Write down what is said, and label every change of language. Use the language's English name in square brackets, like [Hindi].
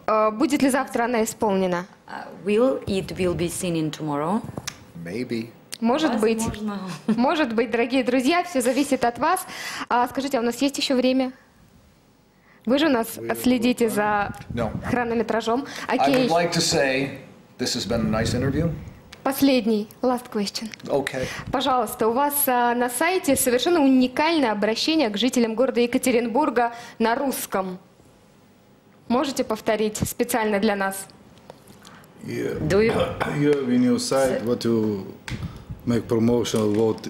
[Russian] Будет ли завтра она исполнена? [English] Will it will be singing tomorrow? Maybe. [Russian] Может быть. Может быть, дорогие друзья, все зависит от вас. Скажите, а у нас есть еще время? Вы же у нас следите за хронометражом. Окей. [English] I would like to say this has been a nice interview. [Russian] Последний, [English] last question. Okay. [Russian] Пожалуйста, у вас на сайте совершенно уникальное обращение к жителям города Екатеринбурга на русском. Можете повторить специально для нас? [English] Yeah. Do you? Yeah, in your site, what you make promotion about